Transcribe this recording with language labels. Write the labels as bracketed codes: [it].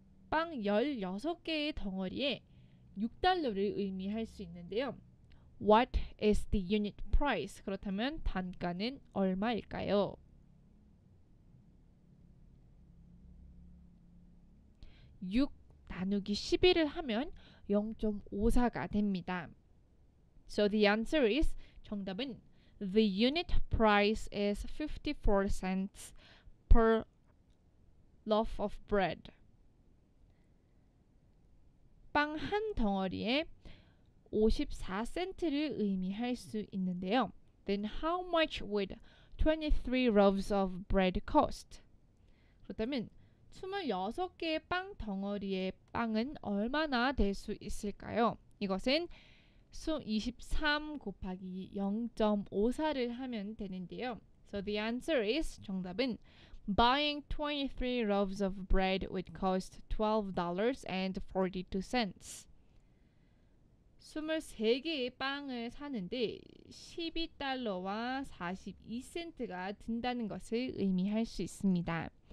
[ko] 빵 16개의 덩어리에 $6를 의미할 수 있는데요. [en] What is the unit price? [ko] 그렇다면 단가는 얼마일까요? 6 나누기 11을 하면 0.54가 됩니다. [en] So the answer is, [ko] 정답은 [en] the unit price is 54 cents per loaf of bread. [ko] 빵 한 덩어리에 54센트를 의미할 수 있는데요. [en] Then how much would 23 loaves of bread cost? [ko] 그렇다면 26개의 빵 덩어리의 빵은 얼마나 될 수 있을까요? 이것은 23 곱하기 0.54를 하면 되는데요. [en] So the answer is, [ko] 정답은 [en] buying 23 loaves of bread would cost $12.42. [ko] 23개의 빵을 사는데 $12와 42센트가 든다는 것을 의미할 수 있습니다.